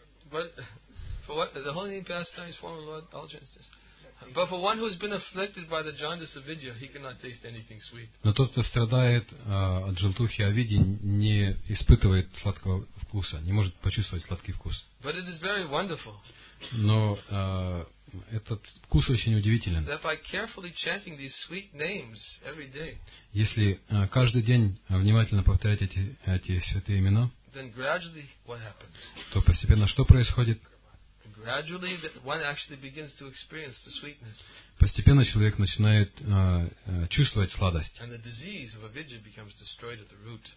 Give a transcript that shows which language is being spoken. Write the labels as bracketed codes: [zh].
[en] But for what the holy name pastimes form of Lord all justice. But for one who has been afflicted by the jaundice of avidya, he cannot taste anything sweet. [ru] Но тот, кто страдает от желтухи авидьи, не испытывает сладкого вкуса, не может почувствовать сладкий вкус. [en] But it is very wonderful. [ru] Но этот вкус очень удивителен. [en] That by carefully chanting these sweet names every day. [ru] Если каждый день внимательно повторять эти святые имена, [en] then gradually what happens? [ru] То постепенно что происходит? [en] Gradually, one actually begins to experience the sweetness. [ru] Постепенно человек начинает чувствовать сладость. [en] And the disease of avidya becomes destroyed at the root.